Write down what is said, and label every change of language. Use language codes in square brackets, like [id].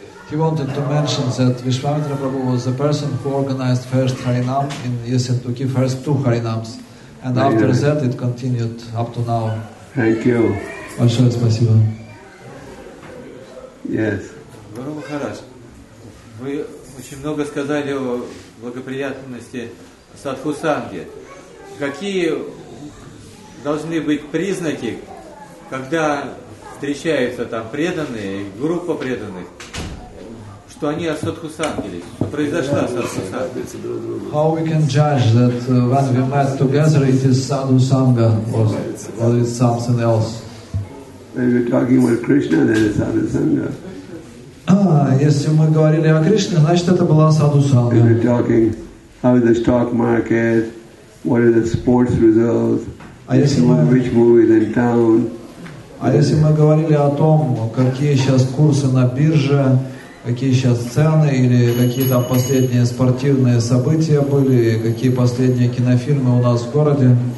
[en] He wanted to mention that Vishwamitra Prabhu was the person who organized first Harinam in Yesentuki, first 2 Harinams. And right, after right. That, it continued up to now. Thank you. [ru] Большое спасибо. [en] Yes. [ru] Guru Maharaj, вы очень много сказали о благоприятности садху-санги. Какие должны быть признаки, когда встречаются там преданные, группа преданных, что они о садху сангхи, что произошла садху сангхи. [en] How we can judge that when we met together it is sadhu sangha or it's something else? If you're talking with Krishna, then it's sadhu sangha. [ru] Если мы говорили о Кришне, значит это была саду санга. [en] If you're talking about the stock market, what are the sports results? Which movies in town? [ru] А если мы говорили о том, какие сейчас курсы на бирже, какие сейчас цены или какие там последние спортивные события были, какие последние кинофильмы у нас в городе?